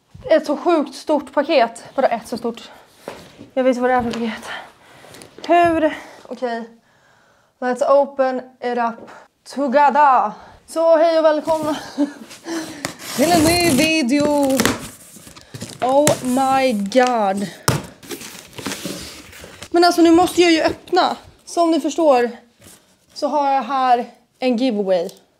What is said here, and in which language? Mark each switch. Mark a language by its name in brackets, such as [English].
[Swedish] Ett så sjukt stort paket. Bara ett så stort. Jag vet vad det är för paket. Hur? Okej. Okay. [English] Let's open it up together. [Swedish] Så, hej och välkomna till en ny video. [English] Oh my god. [Swedish] Men alltså, nu måste jag ju öppna. Som ni förstår så har jag här en giveaway.